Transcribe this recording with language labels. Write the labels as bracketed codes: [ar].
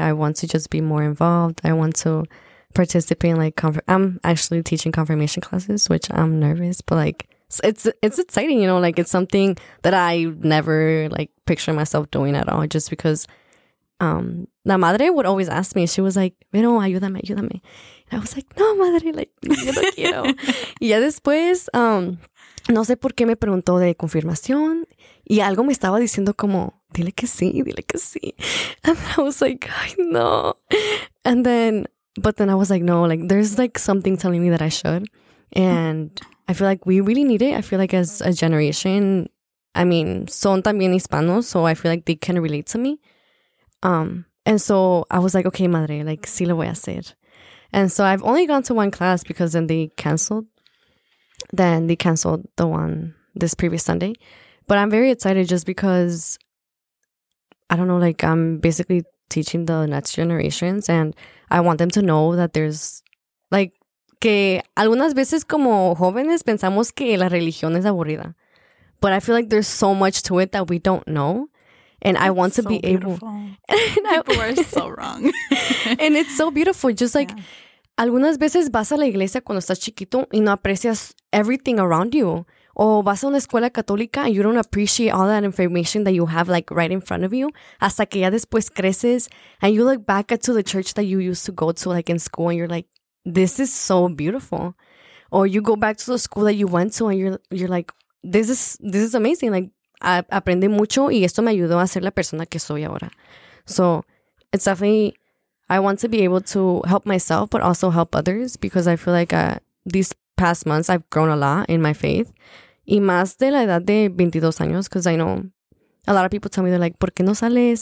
[en] I want to just be more involved. I want to participate in, like, I'm actually teaching confirmation classes, which I'm nervous, but, like, it's exciting, you know? Like, it's something that I never, like, picture myself doing at all, just because La Madre would always ask me. She was like, Vero, ayúdame. And I was like, no, Madre, like, [es] yo no quiero. Y ya después, no sé por qué me preguntó de confirmación. Y algo me estaba diciendo como, dile que sí. [en] And I was like, ay, no. But then I was like, no, like, there's, like, something telling me that I should. And I feel like we really need it. I feel like as a generation, I mean, [es] son también hispanos, [en] so I feel like they can relate to me. And so I was like, okay, Madre, like, [es] sí lo voy a hacer. [en] And so I've only gone to one class because then they canceled the one this previous Sunday. But I'm very excited just because, I don't know, like, I'm basically teaching the next generations and I want them to know that there's, like, [es] que algunas veces como jóvenes pensamos que la religión es aburrida. [en] But I feel like there's so much to it that we don't know. And I want to be able. People are so wrong. And it's so beautiful. Just like, yeah. [es] Algunas veces vas a la iglesia cuando estás chiquito y no aprecias [en] everything around you. [es] O vas a una escuela católica [en] and you don't appreciate all that information that you have like right in front of you. [es] Hasta que ya después creces [en] and you look back at to the church that you used to go to like in school and you're like, this is so beautiful. Or you go back to the school that you went to and you're like, this is amazing. [es] Like, aprendí mucho y esto me ayudó a ser la persona que soy ahora. [en] So, it's definitely, I want to be able to help myself but also help others because I feel like these past months I've grown a lot in my faith. [es] Y más de la edad de 22 años, [en] because I know a lot of people tell me, they're like, [es] ¿por qué no sales?